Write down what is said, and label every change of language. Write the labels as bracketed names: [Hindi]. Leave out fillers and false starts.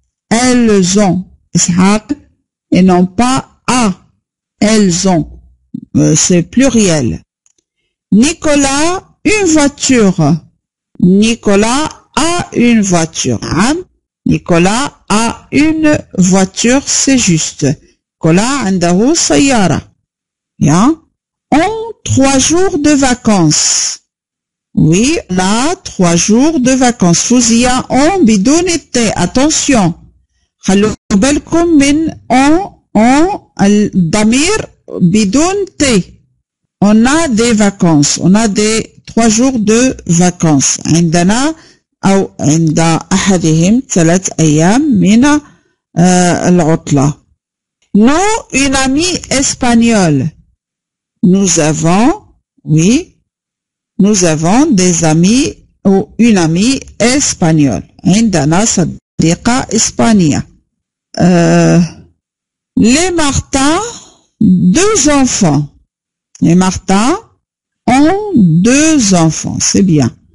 [French] Elles ont, إسحاق, et non pas a. Elles ont, c'est pluriel. Nicolas, une voiture. Nicolas a une voiture. Hein? Nicolas a une voiture, c'est juste. [Arabic] Nicolas عنده سيارة. [French] Bien. On trois jours de vacances. Oui, là, trois jours de vacances. Vous y a on bidon été. Attention. [Arabic] خلو بالكم من on الضمير بدون t. [French] On a des vacances. On a des trois jours de vacances. [Arabic] عندنا أو عند أحدهم ثلاث أيام من العطلة. [French] Non, une amie espagnole. Nous avons, oui, nous avons des amis ou une amie espagnole. [Arabic] عندنا صديقة إسبانية. [French] Les Martins, deux enfants. Les Martins ont deux enfants, c'est bien.